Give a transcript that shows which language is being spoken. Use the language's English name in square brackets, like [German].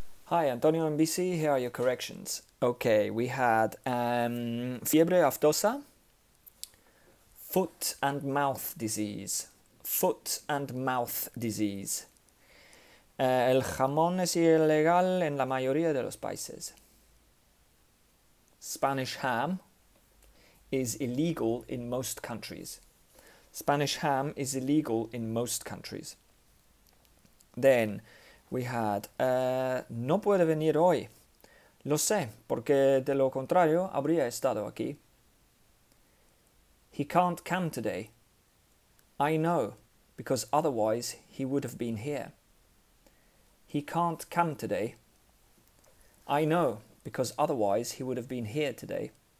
[English] Hi, Antonio and Visi, here are your corrections. Okay, we had fiebre aftosa, foot and mouth disease. Foot and mouth disease. [Spanish] El jamón es ilegal en la mayoría de los países. [English] Spanish ham is illegal in most countries. Spanish ham is illegal in most countries. Then we had, [Spanish] no puede venir hoy. Lo sé, porque de lo contrario habría estado aquí. [English] He can't come today. I know, because otherwise he would have been here. He can't come today. I know, because otherwise he would have been here today.